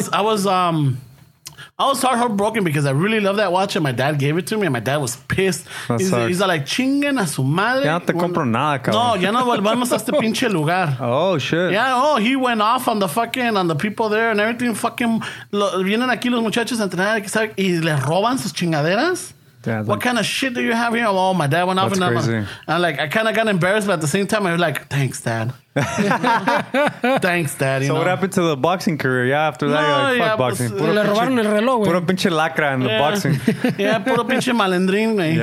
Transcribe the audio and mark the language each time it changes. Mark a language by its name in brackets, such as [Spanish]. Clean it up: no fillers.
[English] I was heartbroken because I really love that watch and my dad gave it to me and my dad was pissed. He's like, [Spanish] chinguen a su madre. Ya no te compro nada, cabrón. No, ya no volvamos a este pinche lugar. [English] Oh, shit. Yeah, he went off on the fucking, on the people there and everything. Fucking, [Spanish] vienen aquí los muchachos a entrenar y le roban sus chingaderas. [English] Yeah, what kind of shit do you have here? Oh, my dad went off and crazy. I'm like, I kind of got embarrassed, but at the same time, I was like, thanks, dad. Thanks, dad. So what happened to the boxing career? Yeah, after that, boxing. [Spanish] Pues, le robaron el reloj, puro pinche lacra [English] in the boxing. [Spanish] Yeah, puro pinche malandrín, man.